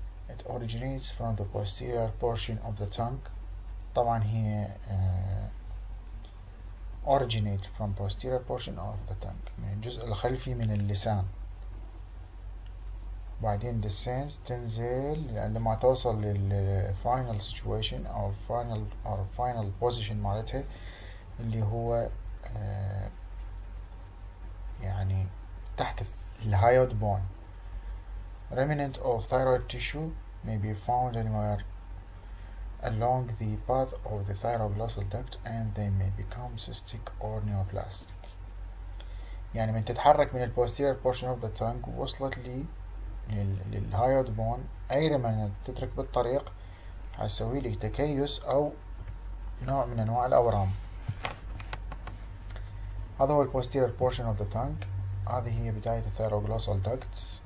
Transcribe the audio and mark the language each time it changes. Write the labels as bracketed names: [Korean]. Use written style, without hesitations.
[English] It originates from the posterior portion of the tongue. [Arabic] طبعا هي [English] originate from posterior portion of the tongue، [Arabic] من الجزء الخلفي من اللسان، بعدين [English] descends [Arabic] تنزل لما توصل لل [English] final situation or final or final position [Arabic] مالتها اللي هو يعني تحت الهايود بون. [English] remnant of thyroid tissue may be found anywhere along the path of the thyroglossal duct and they may become cystic or neoplastic. [Arabic] يعني من تتحرك من [English] posterior portion of the tongue [Arabic] وصلت لي للهايود بون، اي remnant تترك بالطريق حيسوي لي تكيس او نوع من انواع الاورام. هذا هو [English] posterior portion of the tongue، [Arabic] هذه هي بداية [English] thyroglossal duct.